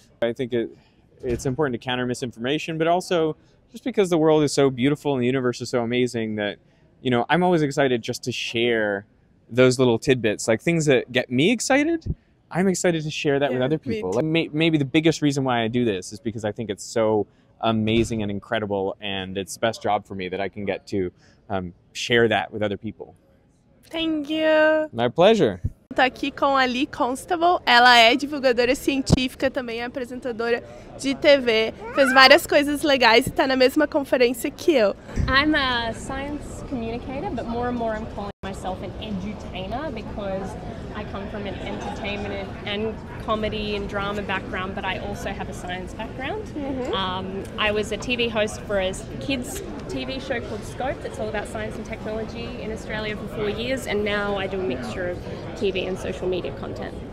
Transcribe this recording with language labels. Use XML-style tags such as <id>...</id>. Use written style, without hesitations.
<en>I think it's important to counter misinformation, but also just because the world is so beautiful and the universe is so amazing that, you know, I'm always excited just to share those little tidbits, like things that get me excited. I'm excited to share that with other people. Like, maybe the biggest reason why I do this is because I think it's so amazing and incredible, and it's the best job for me that I can get to share that with other people. Thank you. My pleasure.</en> <pt>Tô aqui com a Lee Constable. Ela é divulgadora científica, também é apresentadora de TV, fez várias coisas legais e está na mesma conferência que eu.</pt> <en>I'm a science communicator, but more and more I'm calling myself an edutainer because I come from an entertainment and comedy and drama background, but I also have a science background. Mm-hmm. I was a TV host for a kids TV show called Scope that's all about science and technology in Australia for 4 years, and now I do a mixture of TV and social media content.</en>